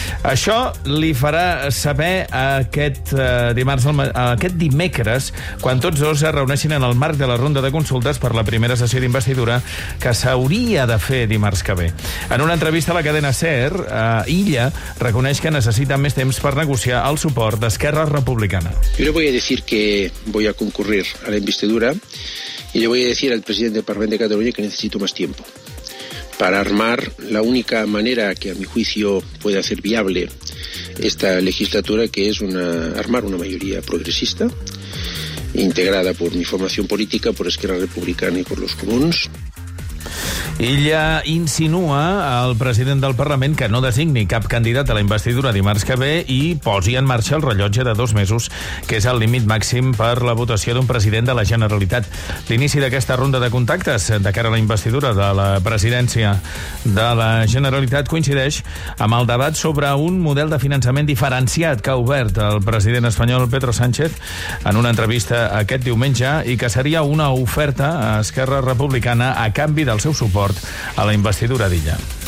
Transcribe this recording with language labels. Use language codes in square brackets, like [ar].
[ca] Això li farà saber aquest dimecres, quan tots dos es reuneixin en el marc de la ronda de consultes per la primera sessió d'investidura que s'hauria de fer dimarts que ve. En una entrevista a la cadena SER, Illa reconeix que necessita més temps per negociar el suport d'Esquerra Republicana. [es] Yo voy a decir que voy a concurrir a la investidura y le voy a decir al presidente del Parlamento de Cataluña que necesito más tiempo para armar la única manera que a mi juicio puede hacer viable esta legislatura, que es armar una mayoría progresista integrada por mi formación política, por Esquerra Republicana y por los Comuns. [ca] Illa insinua al president del Parlament que no designi cap candidat a la investidura dimarts que ve i posi en marxa el rellotge de 2 mesos, que és el límit màxim per la votació d'un president de la Generalitat. L'inici d'aquesta ronda de contactes de cara a la investidura de la presidència de la Generalitat coincideix amb el debat sobre un model de finançament diferenciat que ha obert el president espanyol Pedro Sánchez en una entrevista aquest diumenge i que seria una oferta a Esquerra Republicana a canvi del seu suport a la investidura d'Illa.